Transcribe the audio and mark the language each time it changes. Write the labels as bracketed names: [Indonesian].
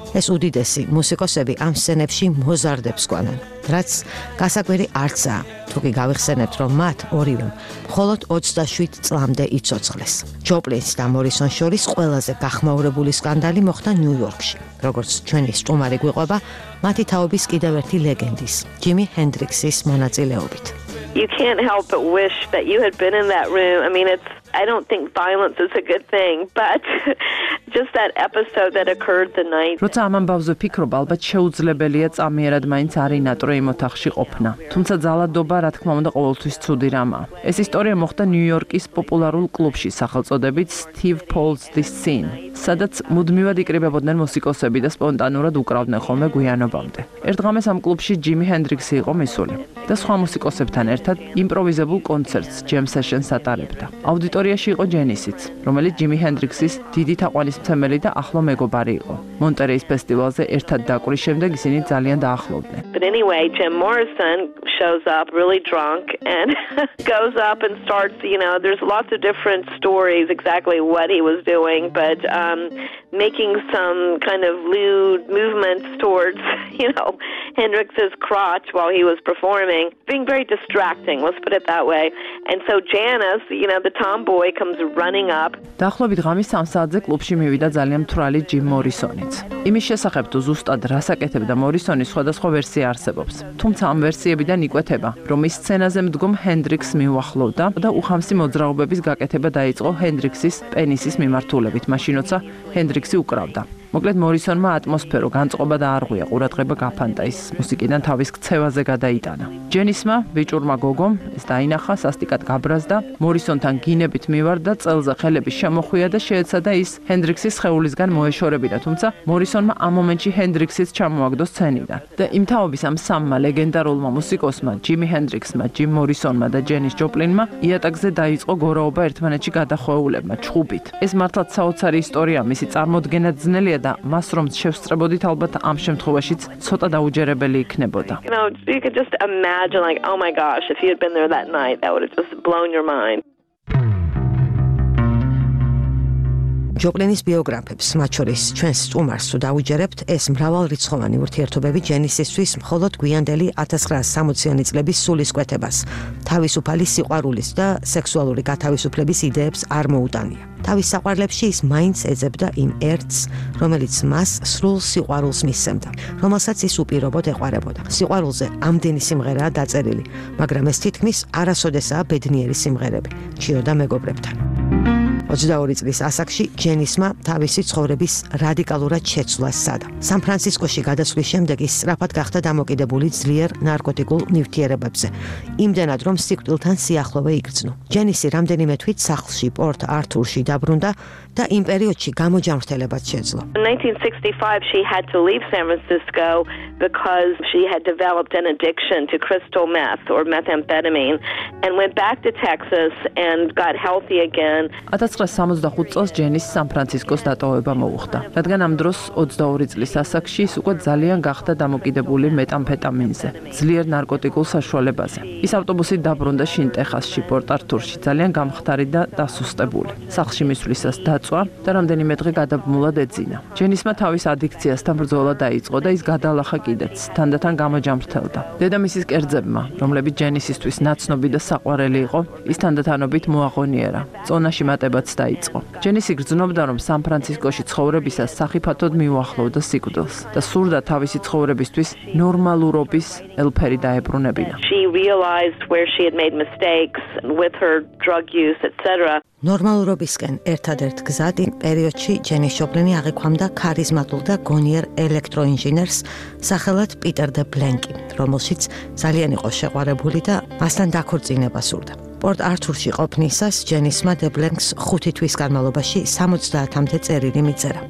[Georgian] ეს უდიდესი მუსიკოსები ამ სცენებში მოზარდებს კვანან, რაც გასაკვირი არცაა, თუ კი გავიხსენებთ, რომ მათ ორივემ მხოლოდ 27 წლამდე იცოცხლეს. ჯოპლინს და მორისონ შორის ყველაზე გახმაურებული სკანდალი მოხდა ნიუ-იორკში, როგორც ჩვენი სტუმარი გვიყვება მათი თაობის კიდევ ერთი ლეგენდის, ჯიმი ჰენდრიქსის მონაწილეობით. [English] You can't help but wish that you had been in that room. I mean, I don't think violence is a good thing, but just that episode that occurred the night. [Georgian] როცა ამ ამბავზე ფიქრობ, ალბათ შეუძლებელია წამიერად მაინც არინატრო იმ ოთახში ყოფნა. თუმცა ძალადობა, რა თქმა უნდა, ყოველთვის ცუდი რამაა. ეს ისტორია მოხდა ნიუ-იორკის პოპულარულ კლუბში სახელწოდებით Steve Paul's The Scene, სადაც მუდმივად იკრიბებოდნენ მუსიკოსები და სპონტანურად უკრავდნენ ხოლმე გვიანობამდე. ერთღამეს ამ კლუბში ჯიმი ჰენდრიქსი იყო მისული და სხვა მუსიკოსებთან ერთად იმპროვიზებულ კონცერტს, jam session-ს ატარებდა. აუდიტორიაში იყო ჯენისიც, რომელიც ჯიმი ჰენდრიქსის დიდი თაყვანისმცემელი და ახლო მეგობარი იყო. მონტერეის ფესტივალზე ერთად დაკვრის შემდეგ ისინი ძალიან დაახლოვდნენ. [English] But anyway, Jim Morrison shows up really drunk and goes up and starts, you know, there's lots of different stories exactly what he was doing, but making some kind of lewd movements towards, you know, Hendrix's crotch while he was performing, being very distracting, let's put it that way. And so Janis, you know, the tomboy comes running up. [Georgian] დაახლოებით ღამის 3 საათზე კლუბში მივიდა ძალიან მთრალი ჯიმ მორისონიც. იმის შესახებ თუ ზუსტად რას აკეთებდა მორისონი, სხვადასხვა ვერსია არსებობს. თუმცა ამ ვერსიებიდან იკვეთება, რომ ის სცენაზე მდგომ ჰენდრიქსს მიუახლოვდა და უხამსი მოძრაობების გაკეთება დაიწყო ჰენდრიქსის პენისის მიმართულებით, მაშინოცა ჰენდრიქსი უკრავდა. მოკლედ მორისონმა ატმოსფერო განწყობა და არღვია, ყურადღება გაფანტა ის მუსიკიდან თავის ქცევაზე გადაიტანა. ჯენისმა, ბიჭურმა გოგომ, ეს დაინახა, სასტიკად გაბრაზდა, მორისონთან გინებით მივარდა, წელზე ხელები შემოხვია და შეეცადა ის ჰენდრიქსის ხეულისგან მოეშორებინა, თუმცა მორისონმა ამ მომენტში ჰენდრიქსის ჩამოაგდო სცენიდან. და იმ თაობის ამ სამმა ლეგენდარულმა მუსიკოსმა, ჯიმი ჰენდრიქსმა, ჯიმ მორისონმა და ჯენის ჯოპლინმა, იატაკზე დაიწყო გორაობა ერთმანეთში გადახვეულებმა ჩხუბით. ეს მართლაც საოცარი ისტორია, მისი წარმოდგენა ძნელი და მას რომ შევსწრებოდით ალბათ ამ შემთხვევაშიც ცოტა დაუჯერებელი იქნებოდა. [English] You could just imagine like oh my gosh if he had been there that night that would have just blown your mind. [Georgian] ჯოპლინის ბიოგრაფებს, მათ შორის ჩვენს სტუმარს თუ დაუჯერებთ, ეს მრავალრიცხოვანი ურთიერთობები ჯენისისთვის მხოლოდ გვიანდელი 1960-იანი წლების სულისკვეთებას, თავისუფალი სიყვარულის და სექსუალური გათავისუფლების იდეებს არ მოუტანია. თავის საყვარლებში ის მაინც ეძებდა იმ ერთს, რომელიც მას სრულ სიყვარულს მისცემდა, რომელსაც ის უპირობოდ ეყარებოდა. სიყვარულზე ამდენი სიმღერაა დაწერილი, მაგრამ ეს თითქმის არასოდესაა ბედნიერი სიმღერები, ჩიოდა მეგობრებთან. 22 წლის ასაკში ჯენისმა თავისი ცხოვრების რადიკალურად შეცვლა სცადა. სან-ფრანცისკოში გადასვლის შემდეგ ის სწრაფად გახდა დამოკიდებული ძლიერ ნარკოტიკულ ნივთიერებებზე, იმდენად რომ სიკვდილთან სიახლოვე იგრძნო. ჯენისი რამდენიმე თვით სახლში პორტ ართურში დაბრუნდა და იმ პერიოდში გამოჯანმრთელებაც შეძლო. [English] 1965 she had to leave San Francisco because she had developed an addiction to crystal meth or methamphetamine and went back to Texas and got healthy again. [Georgian] 1965 წელს ჯენის სან-ფრანცისკოს დატოვება მოუხდა, რადგან ამ დროს 22 წლის ასაკში ის უკვე ძალიან გახდა დამოკიდებული მეტამფეტამინზე, ძლიერ ნარკოტიკულ საშუალებაზე. ის ავტობუსით დაბრუნდა შინტეხასში, პორტ-ართურში, ძალიან გამხდარი და დასუსტებული. სახლში მისვლისას დაწვა და რამდენიმე დღე გადაბმულად ეძინა. ჯენისმა თავის ადიქციასთან ბრძოლა დაიწყო და ის გადალახა კიდეც, თანდათან გამოჯანმრთელდა. დედამისის კერძებმა, რომლებიც ჯენისისთვის ნაცნობი და საყვარელი იყო, ის თანდათანობით მოაღონიერა. წონაში მატებაც დაიწყო. ჯენისი გრძნობდა, რომ სან-ფრანცისკოში ცხოვრებისას სახიფათოდ მიუახლოვდა სიკვდილს და სურდა თავისი ცხოვრებისთვის ნორმალურობის ელფერი დაებრუნებინა. [English] Realized where she had made mistakes with her drug use etc. [Georgian] ნორმალურობისკენ ერთადერთ გზად იმ პერიოდში ჯენი შოპლენი აღიქვამდა ქარიზმატულ და გონიერ ელექტროინჟინერს სახელად პიტერ დე ბლენკი, რომელშიც ძალიან იყო შეყვარებული და მასთან დაქორწინება სურდა. პორტ არტურში ყოფნისას ჯენისმა დე ბლენქს 5 თვის განმავლობაში 70-მდე წერილი მიწერა.